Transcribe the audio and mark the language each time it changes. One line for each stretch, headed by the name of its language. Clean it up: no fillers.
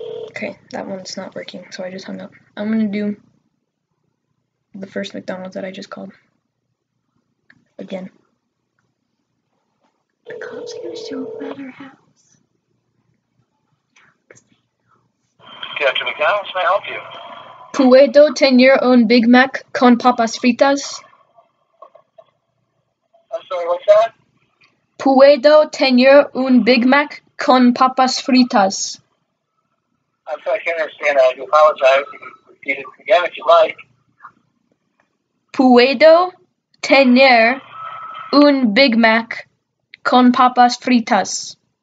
English: Okay, that one's not working, so I just hung up. I'm gonna do the first McDonald's that I just called. Again. The cops are gonna show up at our house. Yeah, McDonald's, may I help you?
Spanish: Puedo tener un Big Mac con papas fritas?
English: I'm sorry, what's that?
Spanish: Puedo tener un Big Mac con papas fritas?
English: I'm sorry, I can't understand that. I do apologize. You can repeat it again if you'd like.
Spanish: Puedo tener un Big Mac con papas fritas.